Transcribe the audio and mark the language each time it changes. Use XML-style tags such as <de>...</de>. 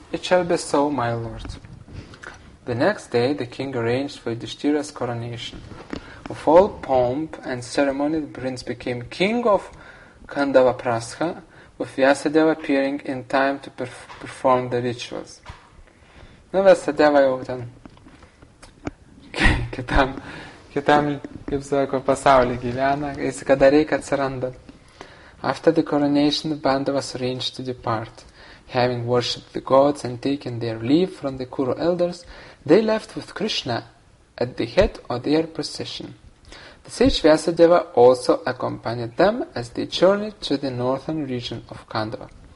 <en>It shall be so, my lord. The next day, the king arranged for Yudhishthira's coronation. With all pomp and ceremony, the prince became king of Kandava Prastha, with Vyasadeva appearing in time to perform the rituals.</en> <lt>Nu, Vyasadeva jau ten kitam, kaip sako, pasaulį gyvena, jis kada reikia atsiranda.</lt> <en>After the coronation, the Pandavas arranged to depart. Having worshipped the gods and taken their leave from the Kuru elders, they left with Krishna at the head of their procession. The sage Vyasadeva also accompanied them as they journeyed to the northern region of Kandava.</en>